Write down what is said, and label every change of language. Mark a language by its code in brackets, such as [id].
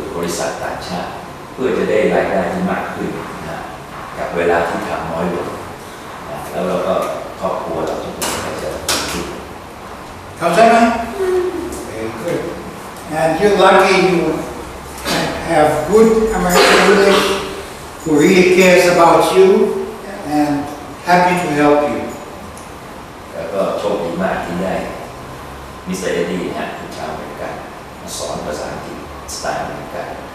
[th] ษัทต่างชาติเพื่อจะได้รายได้ที่มากขึ้นนะกับเวลาที่ทำน้อยลงนะแล้วเราก็ครอบครัวเราทุกคนก็จะดีขึ้นเข้าใจไหม [en] Very good and you're lucky you have good American English who really cares about you and happy to help you [th] แล้วก็โชคดีมากที่ได้มิสเตอร์ Eddy ฮะคุณชาวอเมริกันมาสอนภาษาอังกฤษสไตล์อเมริกัน